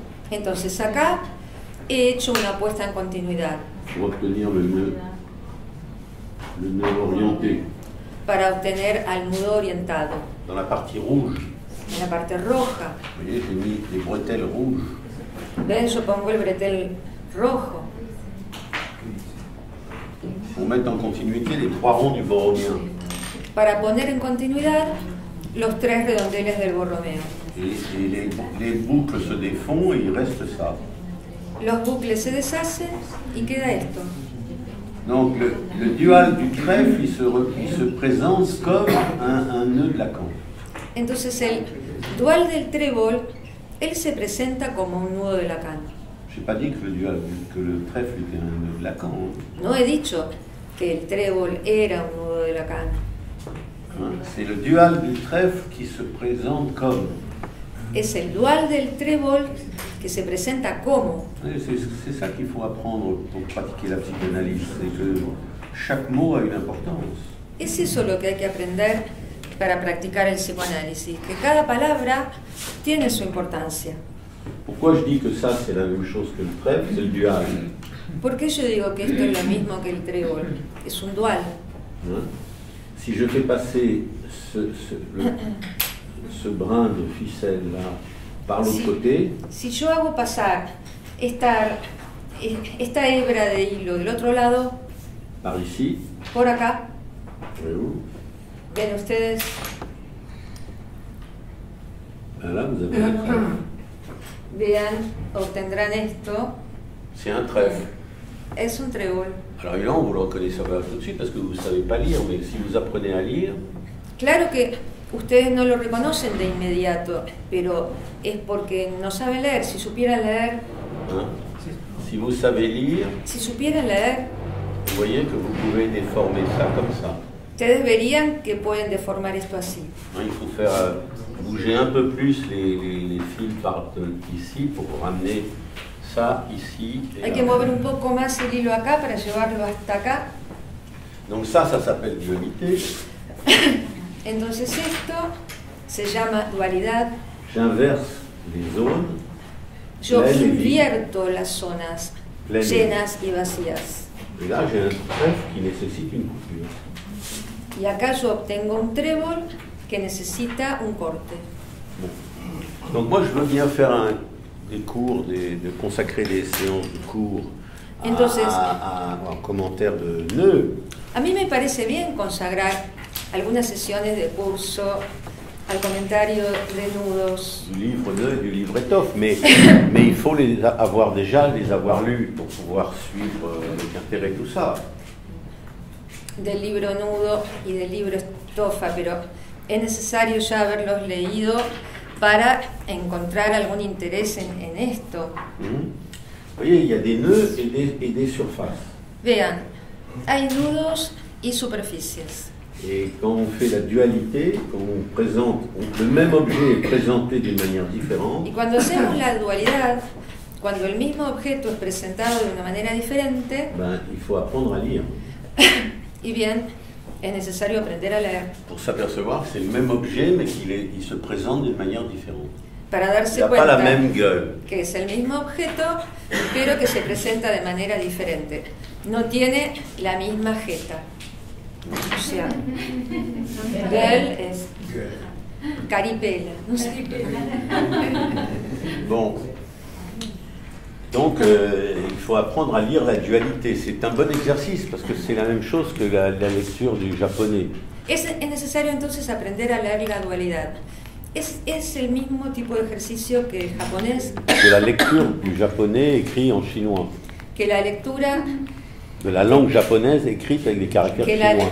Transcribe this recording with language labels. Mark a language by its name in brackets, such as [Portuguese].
[Spanish] Entonces acá he hecho una puesta en continuidad. [French] Pour obtenir le nœud orienté. [Spanish] Para obtener al nudo orientado. [French] Dans la partie rouge. [Spanish] En la parte roja. [French] Vous voyez, j'ai mis les bretelles rouges. [Spanish] Ven, yo pongo el bretel rojo. [French] Pour mettre en continuité les trois ronds du Borromeo. [Spanish] Para poner en continuidad los tres redondeles del Borromeo. [French] Et les boucles se défont et il reste ça. [Spanish] Los bucles se deshacen y queda esto. [French] Donc le dual du trèfle il se présente comme un nœud de Lacan. [Spanish] Entonces el dual del trébol él se presenta como un nudo de Lacan. [French] J'ai pas dit que le trèfle était un nœud de Lacan. [Spanish] No he dicho que el trébol era un nudo de Lacan. [French] C'est le dual du trèfle qui se présente comme. [Spanish] Es el dual del trébol que se presenta como. [French] C'est ça qu'il faut apprendre pour pratiquer la psychanalyse, c'est que chaque mot a une importance. [Spanish] Es eso lo que hay que aprender para practicar el psicoanálisis, que cada palabra tiene su importancia. [French] Pourquoi je dis que ça c'est la même chose que le trèfle, c'est le dual. [Spanish] ¿Por qué yo digo que esto es lo mismo que el trébol? Es un dual. [French] Si je fais passer ce brin de ficelle là par l'autre côté. [Spanish] Si yo hago pasar esta hebra de hilo del otro lado. [French] Par ici. [Spanish] Por acá. [French] Voyez-vous. [Spanish] Ven ustedes. [French] Là, vous avez un trèfle. [Spanish] Vean, obtendrán esto. [French] C'est un trèfle. [Spanish] Es un trébol. [French] Alors évidemment, vous le reconnaissez pas tout de suite parce que vous ne savez pas lire, mais si vous apprenez à lire. [Spanish] Claro que ustedes no lo reconocen de inmediato, pero es porque no saben leer. Si supieran leer. [French] Hein? Si vous savez lire. [Spanish] Si supieran leer. [French] Vous voyez que vous pouvez déformer ça comme ça. [Spanish] Ustedes verían que pueden deformar esto así. [French] Hein, il faut faire bouger un peu plus les fils par ici pour ramener. Ça, ici, [Spanish] hay que mover un poco más el hilo acá para llevarlo hasta acá. [French] Donc ça s'appelle dualité. [Spanish] Entonces esto se llama dualidad. [French] J'inverse les zones. [Spanish] Yo invierto las zonas llenas y vacías. [French] Et là, j'ai un trèfle qui nécessite une coupure. [Spanish] Y acá yo obtengo un trébol que necesita un corte. [French] Bon. Donc moi, je veux bien faire un des cours, de consacrer des séances de cours à commentaires de nœuds. [Spanish] A mí me parece bien consagrar algunas sesiones de curso al comentario de nudos. [French] Du livre de, du livre étoffe, mais, mais il faut les avoir déjà, les avoir lus pour pouvoir suivre avec intérêt tout ça. [Spanish] Del libro nudo y del libro estofa, pero es necesario ya haberlos leído para encontrar algún interés en esto. [French] Voyez, il y a des nœuds et des surfaces. [Spanish] Vean, hay nudos y superficies. [French] Et quand on fait la dualité, quand on présente le même objet est présenté d'une manière différente. [Spanish] Y cuando hacemos la dualidad, cuando el mismo objeto es presentado de una manera diferente. [French] Ben, il faut apprendre à lire. [Spanish] Y bien, es necesario aprender a leer. [French] Pour s'apercevoir que c'est le même objet, mais qu'il est, il se présente d'une manière différente. [Spanish] Para darse [French] il [Spanish] cuenta [French] pas la même gueule. [Spanish] Que es el mismo objeto, pero que se presenta de manera diferente. No tiene la misma jeta. O sea, él es caripela. No sé. [French] Bon. Donc, il faut apprendre à lire la dualité. C'est un bon exercice parce que c'est la même chose que la, la lecture du japonais. [Spanish] Es necesario entonces aprender a leer la dualidad. Es el mismo tipo de ejercicio que el japonés. [French] Que la lecture du japonais écrit en chinois. [Spanish] Que la lectura [French] de la langue japonaise écrite avec des caractères chinois.